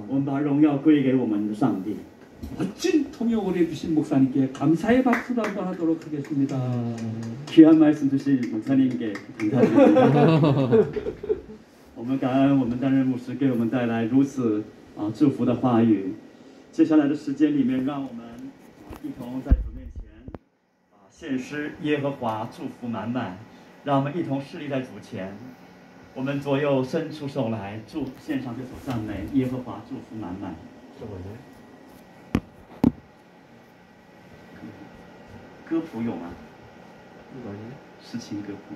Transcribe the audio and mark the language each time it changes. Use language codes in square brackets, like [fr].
[zh] 我们把荣耀归给我们的上帝。 [ko] 멋진 통역을 해주신 목사님께 감사의 박수를 한번 하도록 하겠습니다. 귀한 말씀 주신 목사님께 감사합니다. [zh] 我们感恩我们担任牧师给我们带来如此 祝福的话语，接下来的时间里面，让我们一同在主面前，献诗耶和华祝福满满，让我们一同侍立在主前，我们左右伸出手来，献上这首赞美，耶和华祝福满满，是我的歌谱有吗？歌谱有吗？